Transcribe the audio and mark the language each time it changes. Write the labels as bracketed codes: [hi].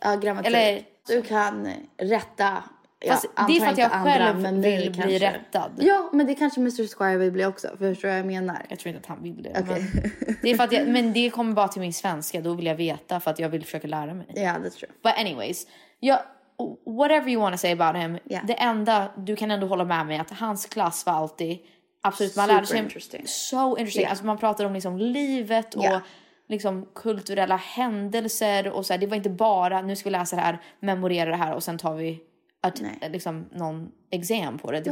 [sv] Ja, grammatik. Eller, du kan rätta. Fast det är för att jag själv andra, men vill kanske. Bli rättad. Ja, men det kanske Mr. Squire vill bli också. Förstår jag menar? Jag tror inte att han vill bli. [en] Okay. [sv] Det är för att jag, men det kommer bara till min svenska. Då vill jag veta för att jag vill försöka lära mig. [en] Ja, that's true. But anyways. Jag, whatever you want to say about him. Yeah. [sv] Det enda du kan ändå hålla med mig är att hans klass var alltid... Absolut, man lärde sig... [en] So interesting. Yeah. [sv] Alltså man pratade om liksom livet och... [en] Yeah. [sv] Liksom kulturella händelser. Och så här, det var inte bara... Nu ska vi läsa det här, memorera det här och sen tar vi... liksom någon exam på det. Det